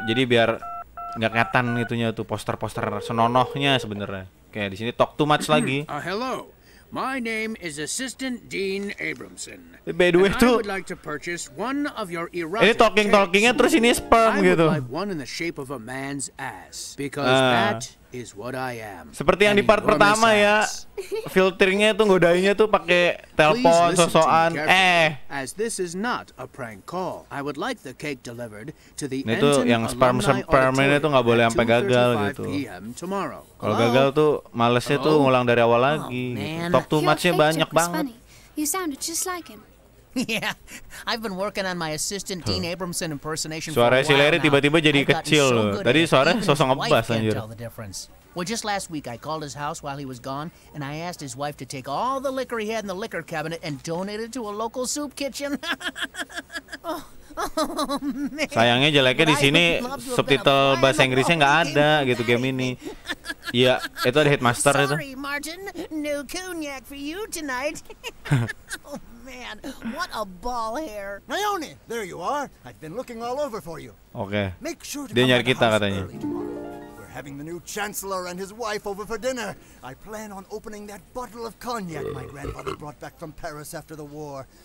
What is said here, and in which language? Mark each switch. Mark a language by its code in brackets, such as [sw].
[id] Jadi biar nggak kelihatan itunya tuh poster-poster senonohnya sebenarnya. Oke, di sini [en] talk too much [id] lagi. [en] Hello. My name is Assistant Dean Abramson. By the way, I would like to purchase one of your erotic. [id] Ini talking-talkingnya terus ini sperm gitu. [en] I would like one in the shape of a man's ass because that is what I am. [id] Seperti yang di part pertama ya. Filternya tuh godainnya tuh pakai telepon sosokan. [en] As this is not a prank call. I would like the cake delivered to the end. [id] Itu yang sperm-spermnya tuh enggak boleh sampai gagal gitu. Kalau gagal tuh malesnya tuh ngulang dari awal lagi. [en] Talk too much- [id] nya banyak banget. [en] You sounded just like him. Yeah, I've been working on my assistant Dean Abramson impersonation. [id] Suara si Larry tiba-tiba jadi kecil. Tadi suara sosok ngebas anjir. [en] Well, just last week I called his house while he was gone, and I asked his wife to take all the liquor he had in the liquor cabinet and donate it to a local soup kitchen. [id] Oh, sayangnya jeleknya di sini subtitle bahasa Inggrisnya nggak ada gitu game ini. Iya, itu ada headmaster itu. [en] Sorry, Martin, no cognac for you tonight. Man, what a ball hair. Naomi, there you are. I've been looking all over for you. Okay. Make sure to [id] dia nyari kita katanya. [en] We're having the new chancellor and his wife over for dinner. I plan on opening that bottle of cognac my grandfather brought back from Paris after the war.